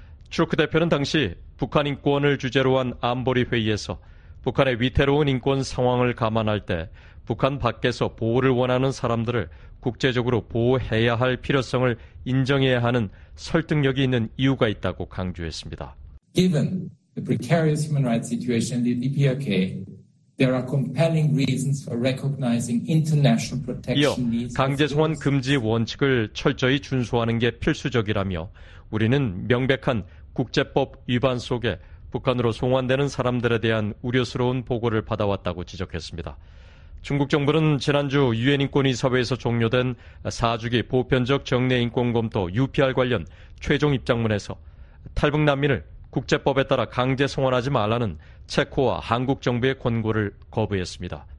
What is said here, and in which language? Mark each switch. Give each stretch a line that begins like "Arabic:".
Korean: 트루크 대표는 당시 북한 인권을 주제로 한 안보리 회의에서 북한의 위태로운 인권 상황을 감안할 때 북한 밖에서 보호를 원하는 사람들을 국제적으로 보호해야 할 필요성을 인정해야 하는 설득력이 있는 이유가 있다고 강조했습니다.
English: Given the precarious human rights situation in the DPRK, there are compelling reasons for recognizing international protection.
Korean: 이어 강제 송환 금지 원칙을 철저히 준수하는 게 필수적이라며 우리는 명백한 국제법 위반 속에 북한으로 송환되는 사람들에 대한 우려스러운 보고를 받아왔다고 지적했습니다. 중국 정부는 지난주 유엔인권이사회에서 종료된 4주기 보편적 정례인권검토 UPR 관련 최종 입장문에서 탈북 난민을 국제법에 따라 강제 송환하지 말라는 체코와 한국 정부의 권고를 거부했습니다.